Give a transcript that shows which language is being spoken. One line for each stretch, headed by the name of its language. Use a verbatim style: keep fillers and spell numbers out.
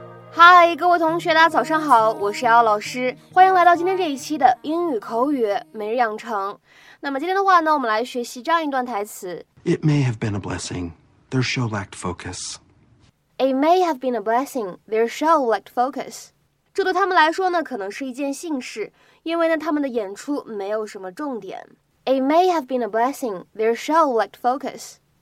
Chinese: 嗨，各位同学，大家早上好，我是姚老师，欢迎来到今天这一期的英语口语每日养成。那么今天的话呢，我们来学习这样一段台词
English: It may have been a blessing, their show lacked focus. It may have been a blessing, their show lacked focus.
Chinese: 这对他们来说呢，可能是一件幸事，因为呢，他们的演出没有什么重点。
English: It may have been a blessing, their show lacked focus.